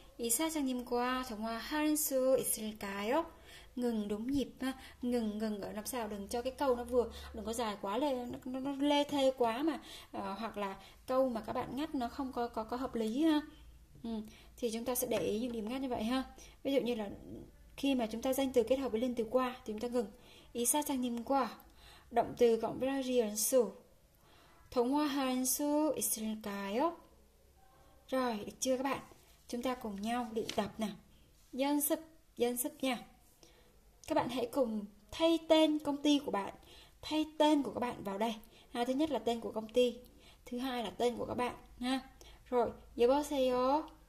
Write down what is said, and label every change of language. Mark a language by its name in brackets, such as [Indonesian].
[Korean] 이사장님과 통화할 수 있을까요? [Vietnamese] Ngừng đúng nhịp ha, ngừng ngừng ở làm sao đừng cho cái câu nó vừa, đừng có dài quá lên nó lê thê quá mà hoặc là câu mà các bạn ngắt nó không có hợp lý ha. Thì chúng ta sẽ để ý những điểm ngắt như vậy ha. Ví dụ như là khi mà chúng ta danh từ kết hợp với liên từ qua thì chúng ta ngừng. [Korean] 이사장님과 [Vietnamese] động từ cộng với [Korean] 하는 수 통화할 수 있을까요? [Vietnamese] Rồi, được chưa các bạn? Chúng ta cùng nhau luyện tập nào. Dân sức nha. Các bạn hãy cùng thay tên công ty của bạn, thay tên của các bạn vào đây. À, thứ nhất là tên của công ty, thứ hai là tên của các bạn ha. Rồi, [Korean] 여보세요.